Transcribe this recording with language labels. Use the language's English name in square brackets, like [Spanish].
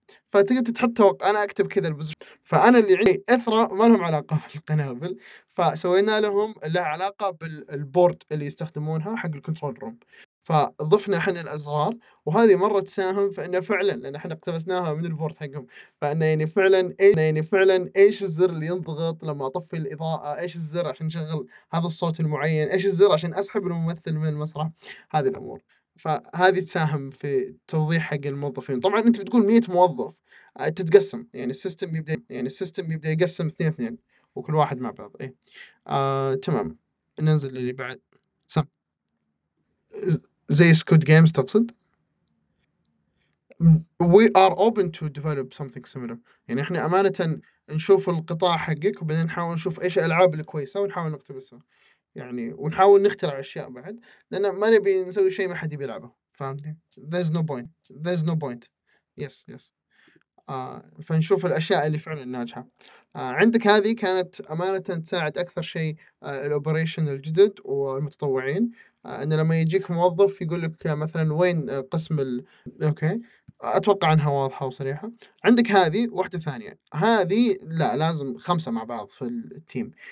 [Arabic] فتقدر تحط توقع أنا أكتب كذا البوزيشن. فأنا اللي عندي إثرة ما لهم علاقة بالقنابل، فسوينا لهم لها علاقة بالبورد اللي يستخدمونها حق الكنترول روم، فضفنا احنا الازرار، وهذه مره تساهم فانه فعلا لان احنا اقتبسناها من البورد حقهم، فانه يعني فعلا ايش الزر اللي ينضغط لما اطفي الاضاءه، ايش الزر عشان نشغل هذا الصوت المعين، ايش الزر عشان اسحب الممثل من المسرح، هذه الامور. فهذه تساهم في توضيح حق الموظفين. طبعا انت بتقول 100 موظف تتقسم، يعني السيستم يبدا يقسم 2-2 وكل واحد مع بعض. اي تمام. ننزل اللي بعد سم. زي سكود جيمز تقصد؟ [English] We are open to develop something similar. [Arabic] يعني احنا امانة نشوف القطاع حقك وبعدين نحاول نشوف ايش الالعاب الكويسة ونحاول نقتبسها يعني، ونحاول نخترع اشياء بعد، لان ما نبي نسوي شيء ما حد يلعبه. فهمتني؟ [English] There's no point. Yes yes. [Arabic] فنشوف الاشياء اللي فعلا ناجحه. عندك هذه كانت امانه تساعد اكثر شيء الاوبريشن الجدد والمتطوعين، ان لما يجيك موظف يقول لك مثلا وين قسم ال... اوكي اتوقع انها واضحه وصريحه. عندك هذه واحده ثانيه، هذه لا لازم 5 مع بعض في التيم.